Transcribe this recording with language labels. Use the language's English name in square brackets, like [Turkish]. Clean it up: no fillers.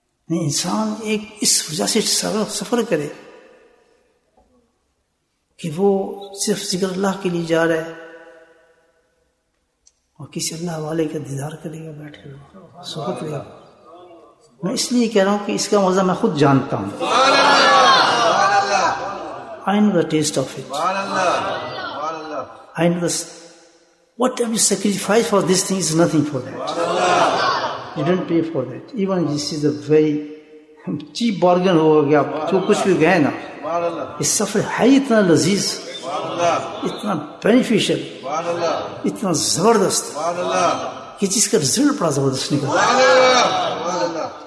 [Urdu] نہیں, انسان ایک اس وجہ سے سفر کرے کہ وہ صرف ذکر اللہ کے لیے جا رہا ہے اور کسی اللہ والے کا دیدار کرے گا بیٹھ کر, صحبت لے گا. میں اس لیے کہہ رہا ہوں کہ اس کا مزہ میں خود جانتا ہوں. [English] I know the taste of it. I know the whatever you sacrifice for this thing is nothing for that. You don't pay for that. Even this is a very cheap bargain [Urdu] ہو گیا جو کچھ بھی گئے نا, یہ سفر ہے اتنا لذیذ, اتنا بینیفیشل, اتنا زبردست کہ جس کا رزلٹ بڑا زبردست نکلتا.